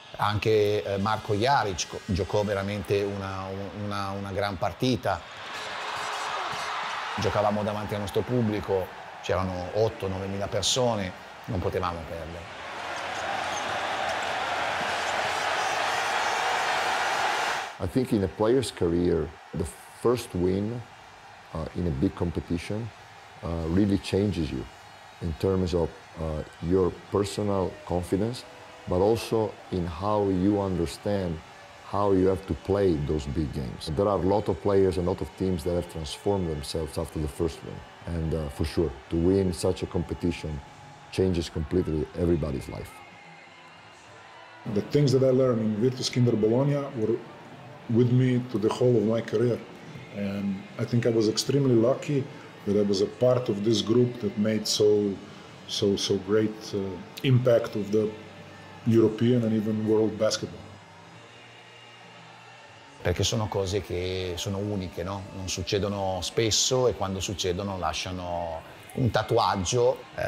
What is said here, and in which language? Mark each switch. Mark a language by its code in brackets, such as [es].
[it] Anche Marko Jaric giocò veramente una gran partita. Giocavamo davanti al nostro pubblico, c'erano 8-9 mila persone, non potevamo perdere. [en] I think in a player's career, the first win in a big competition really changes you in terms of your personal confidence, but also in how you understand how you have to play those big games. There are a lot of players and a lot of teams that have transformed themselves after the first win. And for sure, to win such a competition changes completely everybody's life. The things that I learned in Virtus Kinder Bologna were with me to the whole of my career. And I think I was extremely lucky that I was a part of this group that made so great impact of the European and even world basketball. [it] Perché sono cose che sono uniche, no? Non succedono spesso e quando succedono lasciano un tatuaggio.